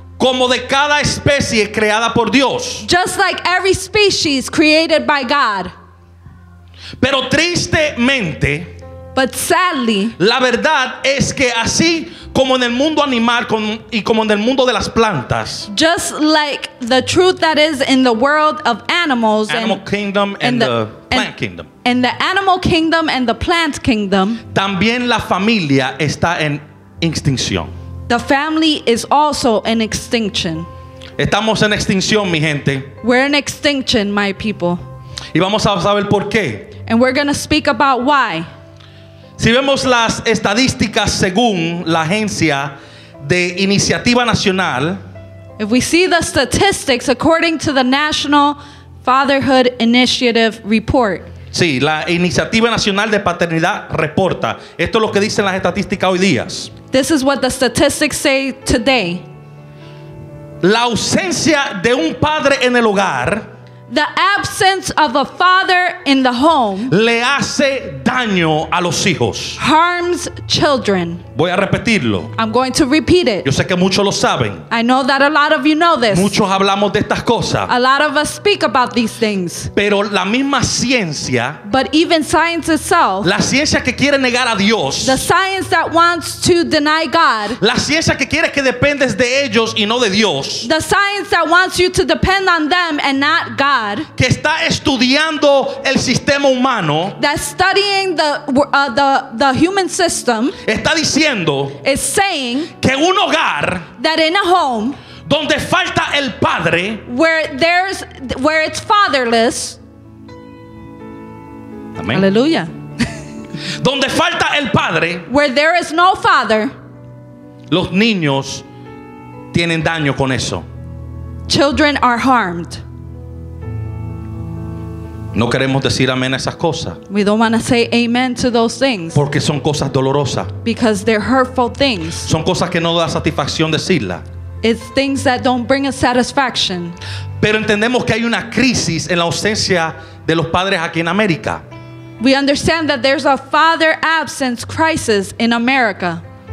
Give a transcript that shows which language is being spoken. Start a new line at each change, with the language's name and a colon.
Spanish: Como de cada especie creada por Dios.
English: Just like every species created by God.
Spanish: Pero tristemente.
English: But sadly.
Spanish: La verdad es que así como en el mundo animal y como en el mundo de las plantas.
English: Just like the truth that is in the world of animals. Animal kingdom and the plant kingdom. And the animal kingdom and the plant kingdom.
Spanish: También la familia está en extinción.
English: The family is also an extinction.
Spanish: Estamos en extinción, mi gente.
English: We're in extinction, my people.
Spanish: Y vamos a saber por qué.
English: And we're going to speak about why.
Spanish: Si vemos las estadísticas según la Agencia de Iniciativa Nacional.
English: If we see the statistics according to the National Fatherhood Initiative Report.
Spanish: Sí, la Iniciativa Nacional de Paternidad reporta. Esto es lo que dicen las estadísticas hoy día.
English: This is what the statistics say today.
Spanish: La ausencia de un padre en el hogar.
English: The absence of a father in the home.
Spanish: Le hace daño a los hijos.
English: Harms children.
Spanish: Voy a repetirlo.
English: I'm going to repeat it.
Spanish: Yo sé que muchos lo saben.
English: I know that a lot of you know this.
Spanish: Muchos hablamos de estas cosas.
English: A lot of us speak about these things.
Spanish: Pero la misma ciencia.
English: But even science itself.
Spanish: La ciencia que quiere negar a Dios.
English: The science that wants to deny God.
Spanish: La ciencia que quiere que dependes de ellos y no de Dios.
English: The science that wants you to depend on them and not God.
Spanish: Que está estudiando el sistema humano.
English: That's studying the human system.
Spanish: Está diciendo.
English: Is saying.
Spanish: Que un hogar.
English: That in a home.
Spanish: Donde falta el padre.
English: Where it's fatherless.
Spanish: Amén. Aleluya. Donde falta el padre.
English: Where there is no father.
Spanish: Los niños tienen daño con eso.
English: Children are harmed.
Spanish: No queremos decir amén a esas cosas.
English: We don't want to say amen to those things.
Spanish: Porque son cosas dolorosas.
English: Because they're hurtful things.
Spanish: Son cosas que no da satisfacción decirlas.
English: It's things that don't bring us satisfaction.
Spanish: Pero entendemos que hay una crisis en la ausencia de los padres aquí en América.
English: We understand that there's a father absence crisis in America.